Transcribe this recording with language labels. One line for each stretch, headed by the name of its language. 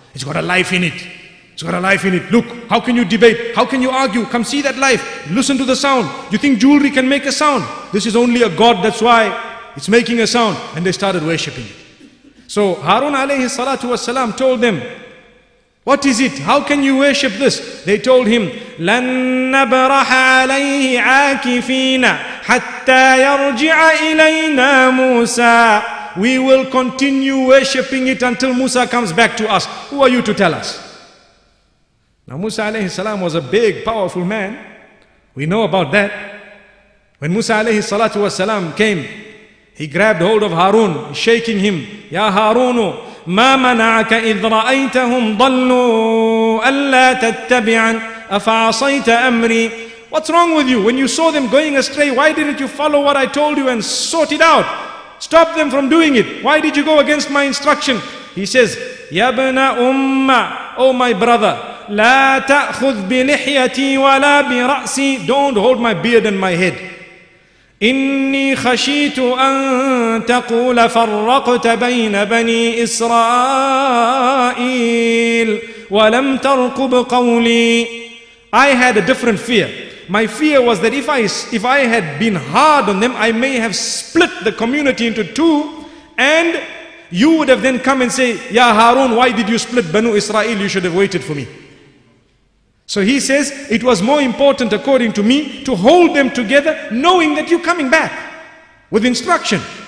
English: It's got a life in it. It's got a life in it. Look, how can you debate? How can you argue? Come see that life. Listen to the sound. You think jewelry can make a sound? This is only a god. That's why it's making a sound. And they started worshipping it. So Harun alayhi salatu wasalam told them, what is it? How can you worship this? They told him,
Arabic: لَن نَبْرَحَ عَلَيْهِ عَاكِفِينَ حَتَّى يَرْجِعَ إِلَيْنَا مُوسَى.
English: We will continue worshipping it until Musa comes back to us. Who are you to tell us? Now Musa alayhi salam was a big, powerful man. We know about that. When Musa alayhi salatu wasalam came, he grabbed hold of Harun, shaking him.
Arabic: Ya Harunu, مَا مَنَعَكَ إِذْ رَأَيْتَهُمْ ضَلُّوا أَلَّا تَتَّبِعًا أَفَعَصَيْتَ أَمْرِي.
English: What's wrong with you? When you saw them going astray, why didn't you follow what I told you and sort it out? Stop them from doing it. Why did you go against my instruction? He says,
Arabic: يَبْنَ أُمَّ.
English: Oh my brother,
Arabic: لَا تَأْخُذْ بِلِحْيَتِي وَلَا بِرَأْسِي.
English: Don't hold my beard and my head.
Arabic: إني خشيت أن تقول فرقت بين بني إسرائيل ولم ترقب قولي.
English: I had a different fear. My fear was that if I had been hard on them, I may have split the community into two, and you would have then come and say, Ya Harun, why did you split Banu Israel? You should have waited for me. So he says, it was more important according to me to hold them together, knowing that you're coming back with instruction.